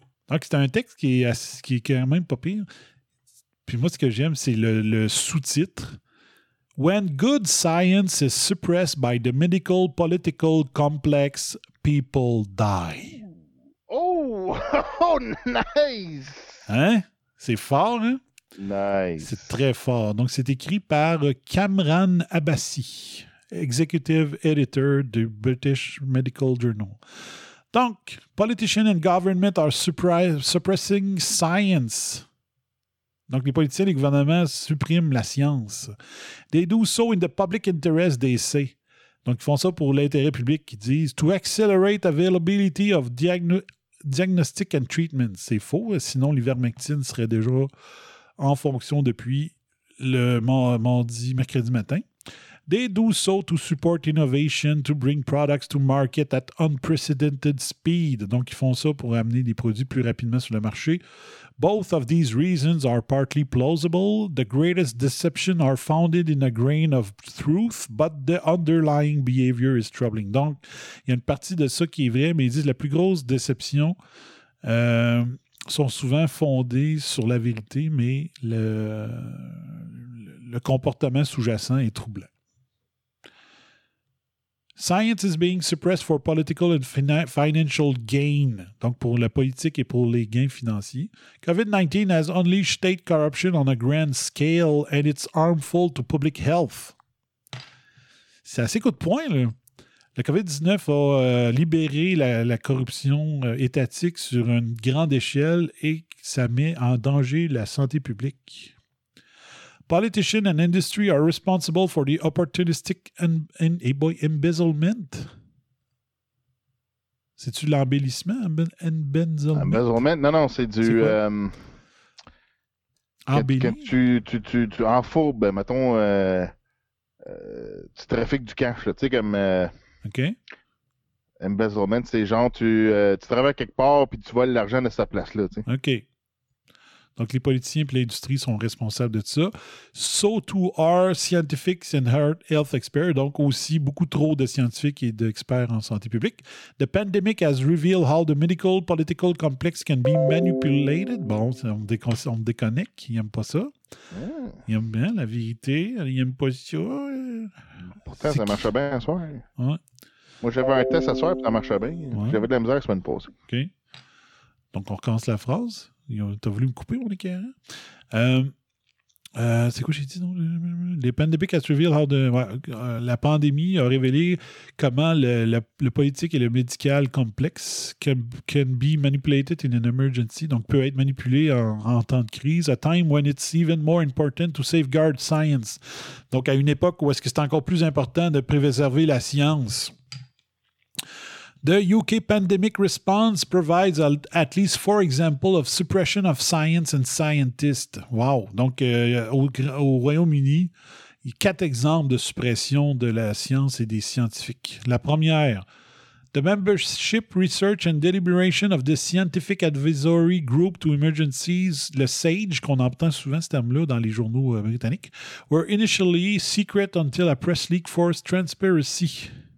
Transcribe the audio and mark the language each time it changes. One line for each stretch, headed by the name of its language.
French: Donc, c'est un texte qui est quand même pas pire. Puis moi, ce que j'aime, c'est le sous-titre.
English: « When good science is suppressed by the medical political complex, people die. » Oh! Oh, nice!
French: Hein? C'est fort, hein?
English: Nice.
French: C'est très fort. Donc, c'est écrit par Kamran Abbasi,
English: executive editor
French: du British Medical Journal. Donc,
English: politicians and government are suppressing science.
French: Donc, les politiciens, les gouvernements suppriment la science.
English: They do so in the public interest, they say.
French: Donc, ils font ça pour l'intérêt public, ils disent.
English: To accelerate availability of diagnostic and treatment.
French: C'est faux, sinon l'ivermectine serait déjà en fonction depuis le mercredi matin.
English: They do so to support innovation, to bring products to market at unprecedented speed.
French: Donc, ils font ça pour amener des produits plus rapidement sur le marché.
English: Both of these reasons are partly plausible. The greatest deception are founded in a grain of truth, but the underlying behavior is troubling.
French: Donc, il y a une partie de ça qui est vraie, mais ils disent que la plus grosse déception sont souvent fondées sur la vérité, mais le comportement sous-jacent est troublant.
English: Science is being suppressed for political and financial gain.
French: Donc, pour la politique et pour les gains financiers.
English: COVID-19 has unleashed state corruption on a grand scale and it's harmful to public health.
French: C'est assez coup de poing, là. La COVID-19 a libéré la corruption étatique sur une grande échelle et ça met en danger la santé publique.
English: Politicians and industry are responsible for the opportunistic embezzlement.
French: C'est-tu l'embellissement? Embezzlement? Non, c'est du... Quand tu enfourbes, ben, mettons, tu trafiques du cash, tu sais, comme... Embezzlement, c'est genre, tu travailles quelque part puis tu voles l'argent de sa place, là, tu sais. OK. Donc, les politiciens et l'industrie sont responsables de ça.
English: So too are scientifics and health experts.
French: Donc, aussi, beaucoup trop de scientifiques et d'experts en santé publique.
English: The pandemic has revealed how the medical political complex can be manipulated.
French: Bon, on déconnecte. Ils n'aiment pas ça. Ils aiment bien la vérité. Ils n'aiment pas ça. Pourtant, ça marchait bien à soir. Ouais. Moi, j'avais un test à soir et ça marchait bien. Ouais. J'avais de la misère la semaine passée. OK. Donc, on recommence la phrase. T'as voulu me couper, mon équerre? C'est quoi j'ai dit? Non? Les
English: pandemic has revealed how the,
French: la pandémie a révélé comment le politique et le médical complexe
English: can be manipulated in an emergency,
French: donc peut être manipulé en temps de crise,
English: a time when it's even more important to safeguard science.
French: Donc, à une époque où est-ce que c'est encore plus important de préserver la science.
English: The UK pandemic response provides at least four examples of suppression of science and scientists. Wow!
French: Donc, au Royaume-Uni, il y a quatre exemples de suppression de la science et des scientifiques. La première,
English: the membership, research and deliberation of the scientific advisory group to emergencies,
French: le SAGE, qu'on entend souvent ce terme-là dans les journaux britanniques,
English: were initially secret until a press leak forced transparency.